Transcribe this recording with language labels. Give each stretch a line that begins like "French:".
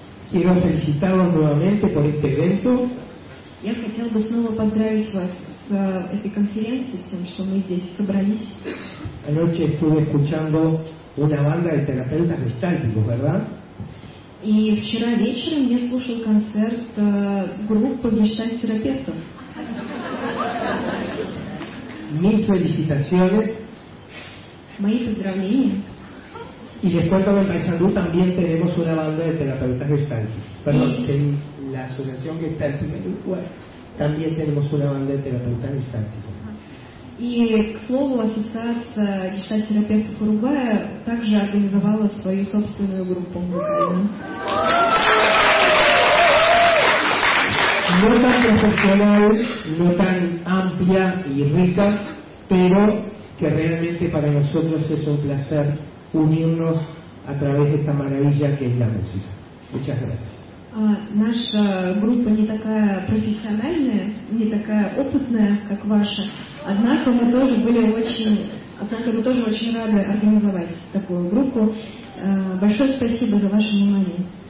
Spanish: Quiero felicitarlos nuevamente por este evento.
Russian: Я хотел бы снова поздравить вас с этой конференцией, с тем, что мы здесь собрались.
Spanish: Anoche estuve escuchando una banda de terapeutas gestálticos, ¿verdad?
Russian: И вчера вечером я слушал концерт группы гештальт-терапевтов.
Spanish: Mis felicitaciones.
Russian: Мои поздравления.
Spanish: Y después con Paisandú también tenemos una banda de terapeutas gestálticos. Perdón, que la asociación gestáltica de Uruguay también tenemos una banda de terapeutas gestálticos.
Russian: И, к слову, ассоциация гештальт-терапевтов Уругвая также организовала свою собственную группу музыкальную.
Spanish: Не так профессиональ, не так амплия и рика, pero que realmente para nosotros es un placer unirnos a través de esta maravilla que es la música. Muchas gracias.
Russian: Наша группа не такая профессиональная, не такая опытная, как ваша. Однако мы тоже были очень, однако мы тоже очень рады организовать такую группу. Большое спасибо за ваше внимание.